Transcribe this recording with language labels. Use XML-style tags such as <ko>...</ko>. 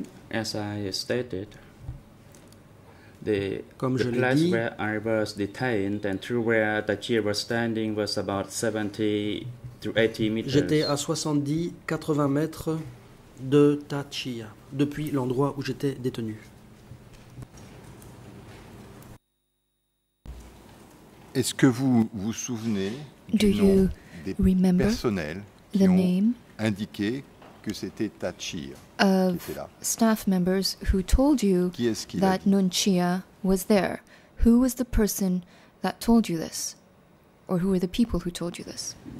<fr>As I stated, the place where I was detained and to where Tachir was standing was about 70 to 80 meters. J'étais à 70-80 mètres de Tachir, depuis l'endroit où j'étais détenu. Est-ce que vous vous souvenez du nom des personnels qui ont indiqué que c'était Tachir qui était là?</fr> <en>Staff members who told you that Nun Chia was there. Who was the person that told you this? Or who were the people who told you this?</en>